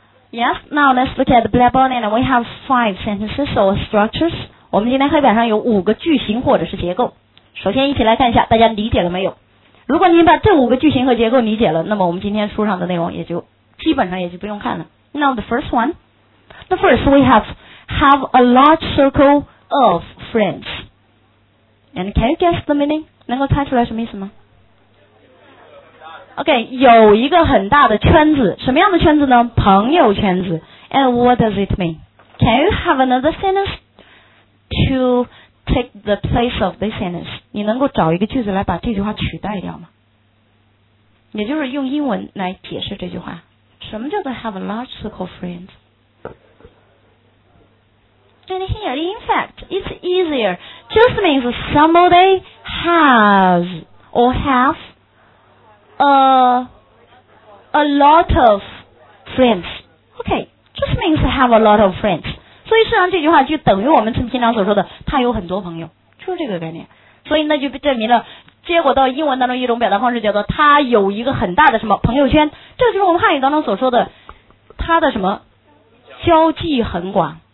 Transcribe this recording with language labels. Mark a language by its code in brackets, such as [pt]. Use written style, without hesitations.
[en] Yes， now let's look at the blackboard and we have 5 sentences or structures。 [zh] 我们今天黑板上有五个句型或者是结构，首先一起来看一下大家理解了没有。如果您把这五个句型和结构理解了，那么我们今天书上的内容也就基本上也就不用看了。 [en] Now the first one， The first we have a large circle of friends， And can you guess the meaning？ [zh] 能够猜出来什么意思吗？ OK， 有一个很大的圈子，什么样的圈子呢？朋友圈子。 [en] And what does it mean？ Can you have another sentence to take the place of this sentence？ [zh] 你能够找一个句子来把这句话取代掉吗？也就是用英文来解释这句话，什么叫做 [en] have a large circle of friends？ And here in fact it's easier， just means somebody has or have a lot of friends。 OK， just means have a lot of friends。 [zh] 所以实际上这句话就等于我们平常所说的他有很多朋友，就是这个概念。所以那就证明了结果到英文当中一种表达方式叫做他有一个很大的什么朋友圈，这就是我们汉语当中所说的他的什么交际很广。